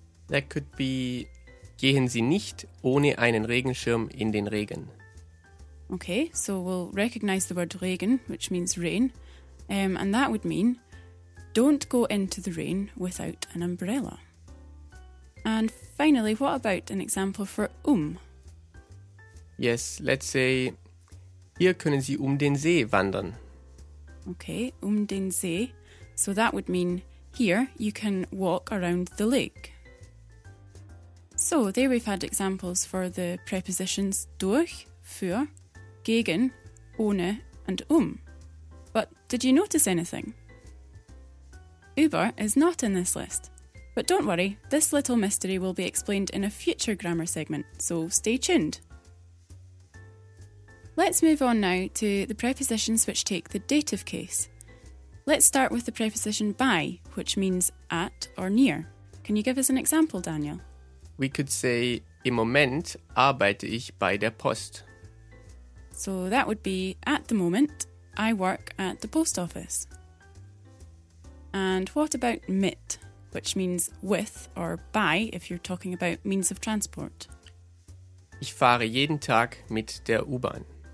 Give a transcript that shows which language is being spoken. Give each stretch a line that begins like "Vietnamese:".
English: That could be,
German: gehen Sie nicht ohne einen Regenschirm in den Regen.
English: Okay, so we'll recognize the word Regen, which means rain. And that would mean, don't go into the rain without an umbrella. And finally, what about an example for Yes, let's say,
German: hier können Sie den See wandern. Okay, den See.
English: So that would mean, here, you can walk around the lake. So, there we've had examples for the prepositions durch, für, gegen, ohne, and But did you notice anything? Über is not in this list. But don't worry, this little mystery will be explained in a future grammar segment, so stay tuned. Let's move on now to the prepositions which take the dative case. Let's start with the preposition by, which means at or near. Can you give us an example, Daniel?
German: We could say, im Moment arbeite ich bei der Post.
English: So that would be, at the moment, I work at the post office. And what about mit, which means with or by, if you're talking about means of transport?
German: Ich fahre jeden Tag mit der U-Bahn.